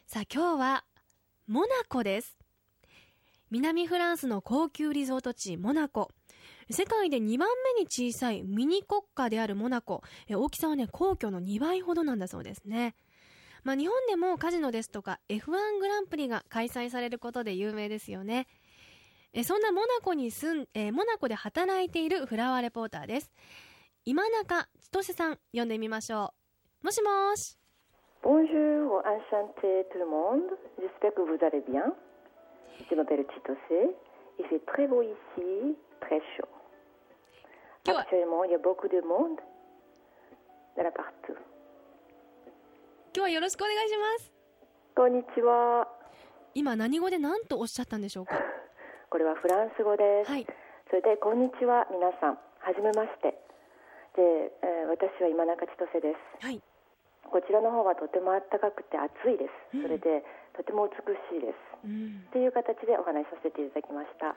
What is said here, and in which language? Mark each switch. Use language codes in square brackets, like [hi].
[ja] さあ今日はモナコです。南フランスの高級リゾート地モナコ、世界で2番目に小さいミニ国家であるモナコ、大きさはね皇居の2倍ほどなんだそうですね。まあ、日本でもカジノですとか F1 グランプリが開催されることで有名ですよね。そんなモナコに住ん、モナコで働いているフラワーレポーターです。今中千歳さん、呼んでみましょう。もしもーし。 [fr] Bonjour, enchanté tout le monde. J'espère que vous allez bien. Je m'appelle千歳. Il fait très beau ici, très chaud. Actuellement, il y a beaucoup de monde de la partout. [ja] 今日はよろしくお願いします。こんにちは。今何語で何とおっしゃったんでしょうか。これはフランス語です。はい、それでこんにちは皆さん、はじめまして。で、私は今中千歳です。はい、こちらの方はとても暖かくて暑いです。それで、うん、とても美しいです、うん、っていう形でお話しさせていただきました。